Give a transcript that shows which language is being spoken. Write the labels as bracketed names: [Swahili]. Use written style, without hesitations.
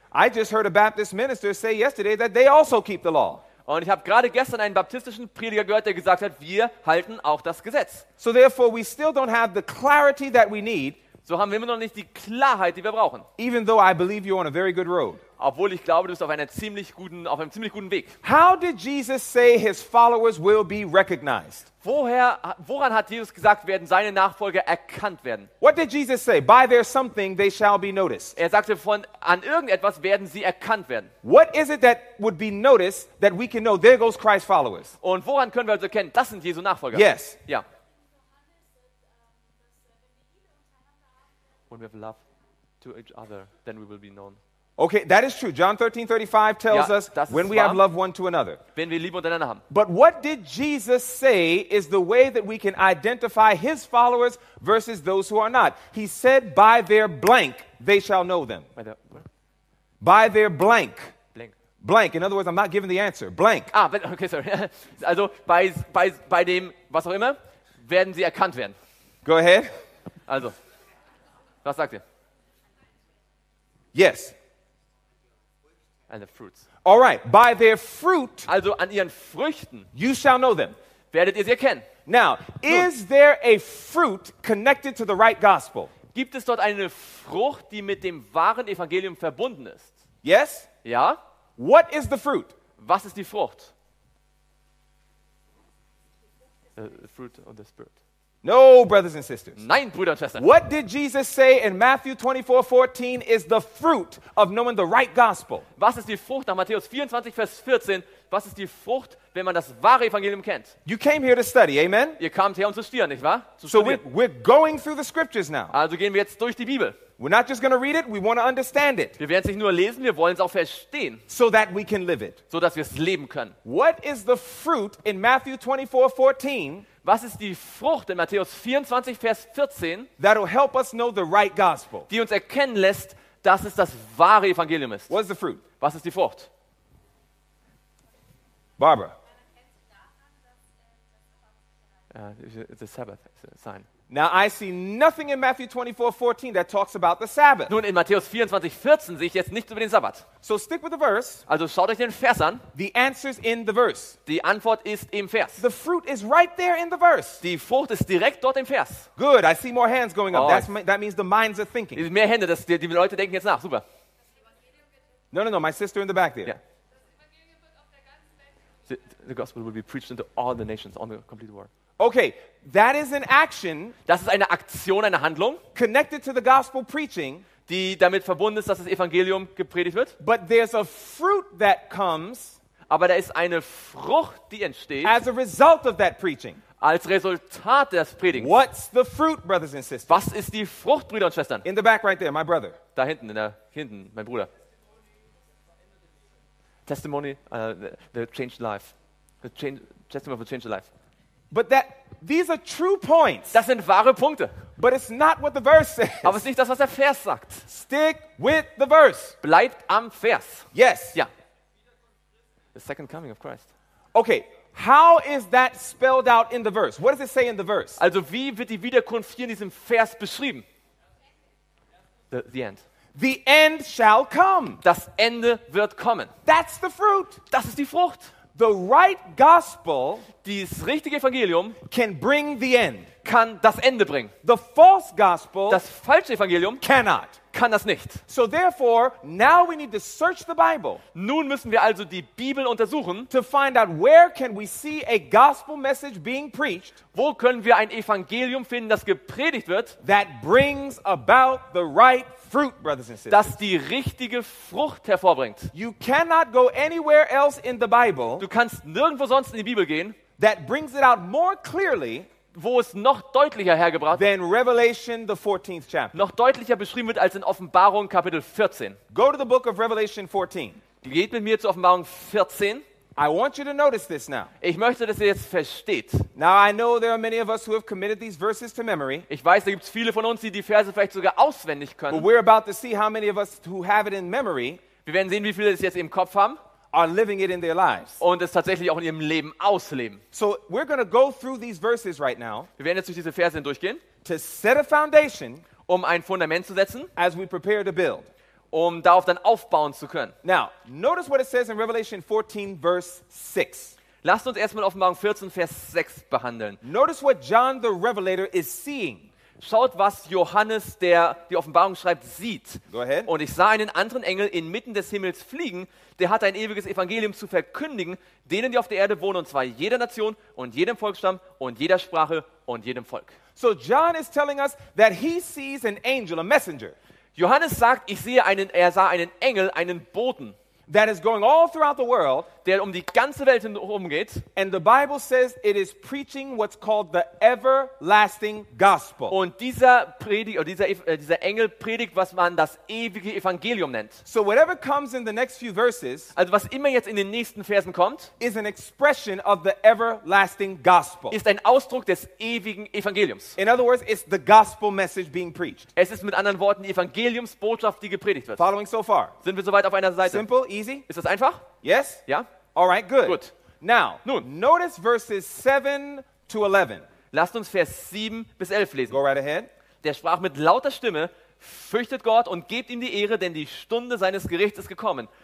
[English] I just heard a Baptist minister say yesterday that they also keep the law. [German] Und ich habe gerade gestern einen baptistischen Prediger gehört, der gesagt hat, wir halten auch das Gesetz. [English] So therefore we still don't have the clarity that we need. [German] So haben wir immer noch nicht die Klarheit, die wir brauchen. [English] Even though I believe you're on a very good road. [German] Obwohl ich glaube, du bist auf einem ziemlich guten Weg. [English] How did Jesus say his followers will be recognized? [German] Woran hat Jesus gesagt, werden seine Nachfolger erkannt werden? [English] What did Jesus say? By their something they shall be noticed. [German] Er sagte, an irgendetwas werden sie erkannt werden. [English] What is it that would be noticed that we can know there goes Christ's followers? [German] Und woran können wir also erkennen, das sind Jesu Nachfolger? [English] Yes. [German] Ja. [English] When we have love to each other, then we will be known. Okay, that is true. John 13, 35 tells us when we have love one to another. [German] Wenn wir Liebe untereinander haben. [English] But what did Jesus say is the way that we can identify his followers versus those who are not? He said, by their blank, they shall know them. By their blank. Blank. In other words, I'm not giving the answer. Blank. Ah, okay, sorry. [German] Also, bei dem, was auch immer, werden sie erkannt werden. [English] Go ahead. [German] Also, was sagt ihr? [English] Yes. And the fruits. All right, by their fruit, [German] also an ihren Früchten, [English] you shall know them. [German] Werdet ihr sie erkennen. [English] Now, is there a fruit connected to the right gospel? [German] Gibt es dort eine Frucht, die mit dem wahren Evangelium verbunden ist? [English] Yes? [German] Ja. [English] What is the fruit? [German] Was ist die Frucht? [English] Fruit of the Spirit. No, brothers and sisters. [German] Nein, Brüder und Schwestern. [English] What did Jesus say in Matthew 24, 14 is the fruit of knowing the right gospel? [German] Was ist die Frucht nach Matthäus 24, Vers 14? Was ist die Frucht, wenn man das wahre Evangelium kennt? [English] You came here to study, amen? [German] Ihr kamt her, um zu studieren, nicht wahr? [English] So we're going through the scriptures now. [German] Also gehen wir jetzt durch die Bibel. [English] We're not just going to read it, we want to understand it. [German] Wir werden es nicht nur lesen, wir wollen es auch verstehen. [English] So that we can live it. [German] So dass wir es leben können. [English] What is the fruit in Matthew 24, 14? [German] Was ist die Frucht in Matthäus 24, Vers 14, [English] that'll help us know the right gospel. [German] Die uns erkennen lässt, dass es das wahre Evangelium ist? [English] What is the fruit? [German] Was ist die Frucht? [English] Barbara. It's a Sabbath sign. Now I see nothing in Matthew 24, 14 that talks about the Sabbath. [German] Nun, in Matthäus 24, 14 sehe ich jetzt nichts über den Sabbat. [English] So stick with the verse. [German] Also schaut euch den Vers an. [English] The answer's in the verse. [German] Die Antwort ist im Vers. [English] The fruit is right there in the verse. [German] Die Frucht ist direkt dort im Vers. [English] Good, I see more hands going up. Oh. That means the minds are thinking. [German] Mehr Hände, die Leute denken jetzt nach. [English] Super. No, my sister in the back there. Yeah. The gospel will be preached into all the nations on the complete world. Okay, that is an action. [German] Das ist eine Aktion, eine Handlung. [English] Connected to the gospel preaching, [German] die damit verbunden ist, dass das Evangelium gepredigt wird. [English] But there's a fruit that comes. [German] aber da ist eine Frucht, die entsteht. [English] As a result of that preaching. [German] Als Resultat des Predigens. [English] What's the fruit, brothers and sisters? [German] Was ist die Frucht, Brüder und Schwestern? [English] In the back right there, my brother. [German] Da hinten, mein Bruder. [English] Testimony, the changed life. Testimony of a changed life. But that these are true points. [German] Das sind wahre Punkte. [English] But it's not what the verse says. [German] Aber es ist nicht das, was der Vers sagt. [English] Stick with the verse. [German] Bleibt am Vers. [English] Yes. [German] Ja. [English] The second coming of Christ. Okay. How is that spelled out in the verse? What does it say in the verse? [German] Also, wie wird die Wiederkunft hier in diesem Vers beschrieben? [English] The end. The end shall come. [German] Das Ende wird kommen. [English] That's the fruit. [German] Das ist die Frucht. [English] The right gospel, [German] das richtige Evangelium, [English] can bring the end. [German] Kann das Ende bringen. [English] The false gospel, [German] das falsche Evangelium, [English] cannot. [German] Kann das nicht. [English] So therefore, now we need to search the Bible. [German] Nun müssen wir also die Bibel untersuchen, [English] to find out where can we see a gospel message being preached. [German] Wo können wir ein Evangelium finden, das gepredigt wird? [English] That brings about the right fruit, brothers and sisters. [German] Das die richtige Frucht hervorbringt. [English] You cannot go anywhere else in the Bible. [German] Du kannst nirgendwo sonst in die Bibel gehen. [English] That brings it out more clearly. [German] Wo es noch deutlicher hergebracht [English] wird, Revelation, the 14th chapter. [German] Noch deutlicher beschrieben wird als in Offenbarung Kapitel 14. [English] Go to the book of Revelation 14. [German] Geht mit mir zu Offenbarung 14. [English] I want you to notice this now. [German] Ich möchte, dass ihr jetzt versteht. [English] Now I know there are many of us who have committed these verses to memory. [German] Ich weiß, da gibt's viele von uns, die die Verse vielleicht sogar auswendig können. [English] But we're about to see how many of us who have it in memory. [German] Wir werden sehen, wie viele es jetzt im Kopf haben. [English] Are living it in their lives. [German] Und es tatsächlich auch in ihrem Leben ausleben. [English] So we're going to go through these verses right now. [German] Wir werden jetzt durch diese Verse durchgehen. [English] To set a foundation, [German] um ein Fundament zu setzen. [English] As we prepare to build, [German] um darauf dann aufbauen zu können. [English] Now, notice what it says in Revelation 14 verse 6. [German] Lasst uns erstmal Offenbarung 14 Vers 6 behandeln. [English] Notice what John the Revelator is seeing. [German] Schaut, was Johannes, der die Offenbarung schreibt, sieht. [English] Go ahead. [German] Und ich sah einen anderen Engel inmitten des Himmels fliegen, der hatte ein ewiges Evangelium zu verkündigen, denen, die auf der Erde wohnen, und zwar jeder Nation und jedem Volksstamm und jeder Sprache und jedem Volk. [English] So John is telling us that he sees an angel, a messenger. [German] Johannes sagt, er sah einen Engel, einen Boten. [English] That is going all throughout the world, [German] der um die ganze Welt herumgeht. [English] And the Bible says it is preaching what's called the everlasting gospel. [German] Und dieser Engel predigt, was man das ewige Evangelium nennt. [English] So whatever comes in the next few verses, [German] also was immer jetzt in den nächsten Versen kommt, [English] is an expression of the everlasting gospel. [German] Ist ein Ausdruck des ewigen Evangeliums. [English] In other words, it's the gospel message being preached. [German] Es ist mit anderen Worten die Evangeliumsbotschaft, die gepredigt wird. [English] Following so far. [German] Sind wir soweit auf einer Seite? [English] Simple. Easy? [German] Ist das einfach? [English] Yes? [German] Ja. [English] All right, good. [German] Gut. [English] Now, [German] nun, [English] notice verses 7 to 11. [German] Lasst uns Vers 7 bis 11 lesen. [English] Go right ahead. [German] Der sprach mit lauter Stimme: Fürchtet Gott und gebt ihm die Ehre, denn die Stunde seines Gerichts ist gekommen.